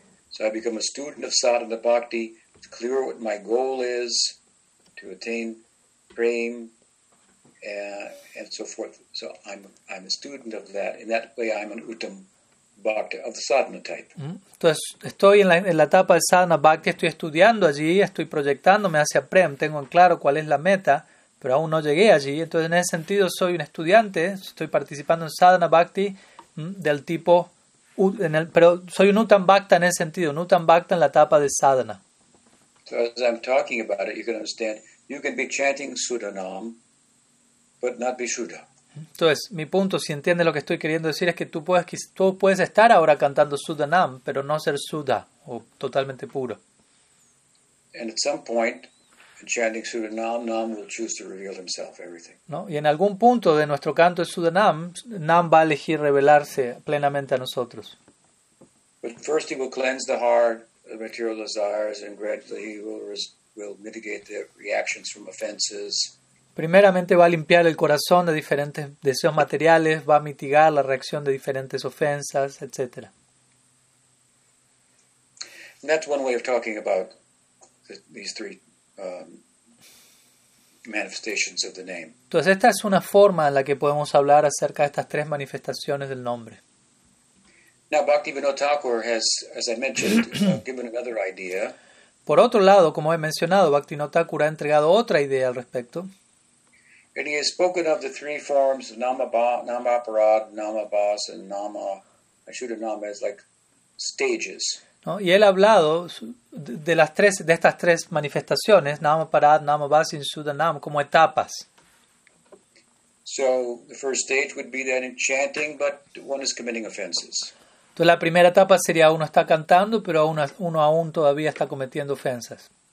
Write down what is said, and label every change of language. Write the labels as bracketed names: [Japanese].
[English] So I become a student of Sadhana Bhakti. It's clear what my goal is to attain prem, and so forth. So I'm a student of that. In that way, I'm an Uttam Bhakti of the sadhana type. [Spanish] Entonces, estoy en la etapa de sadhana bhakti, estoy estudiando allí, estoy proyectándome hacia prem, tengo en claro cuál es la meta, pero aún no llegué allí. Entonces, en ese sentido, soy un estudiante, estoy participando en sadhana bhakti del tipo, pero soy un Uttam Bhakti en ese sentido, un Uttam Bhakti en la etapa de sadhana. [English] So as I'm talking about it, you can understand. You can be chanting Suddha-nama, but not be Suddha. [Spanish] Entonces, mi punto, si entiendes lo que estoy queriendo decir, es que tú puedes estar ahora cantando Suddha-nama, pero no ser Suddha, o totalmente puro. [English] And at some point, chanting Suddha-nama, Nam will choose to reveal himself, everything. [Spanish] ¿No? Y en algún punto de nuestro canto de Suddha-nama, Nam va a elegir revelarse plenamente a nosotros. [English] But first he will cleanse the heart, the material desires, and gradually he will mitigate the reactions from offenses. [Spanish] Primeramente va a limpiar el corazón de diferentes deseos materiales, va a mitigar la reacción de diferentes ofensas, etc. [English] And that's one way of talking about these three manifestations of the name. [Spanish] Entonces, esta es una forma en la que podemos hablar acerca de estas tres manifestaciones del nombre. [English] Now, Bhaktivinoda Thakur has, as I mentioned, given another idea. [Spanish] Por otro lado, como he mencionado, Bhaktivinoda Thakur ha entregado otra idea al respecto. [English] And he has spoken of the three forms of Namaparadha, Namabhasa, and Suddha-nama as like stages. [Spanish] ¿No? Y él ha hablado de estas tres manifestaciones, Namaparadha, Namabhasa, y Suddha-nama, como etapas. [English] So the first stage would be then chanting, but one is committing offenses. [Spanish] Entonces, la primera etapa sería uno está cantando, pero uno aún todavía está cometiendo ofensas.